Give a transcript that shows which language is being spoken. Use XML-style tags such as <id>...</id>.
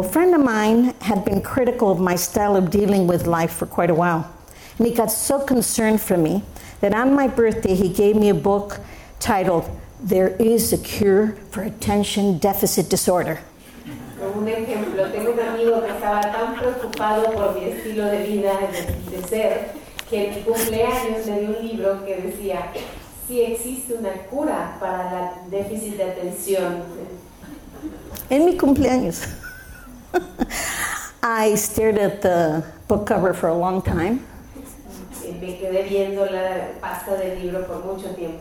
<en>A friend of mine had been critical of my style of dealing with life for quite a while. And he got so concerned for me that on my birthday he gave me a book... titled, There is a Cure for Attention Deficit Disorder.</en> <es>Un ejemplo, tengo un amigo que estaba tan preocupado por mi estilo de vida de ser, que en mi cumpleaños leí un libro que decía, si existe una cura para la déficit de atención. En mi cumpleaños.</es> <en>I stared at the book cover for a long time.</en> <es>Me quedé viendo la pasta del libro por mucho tiempo.</es>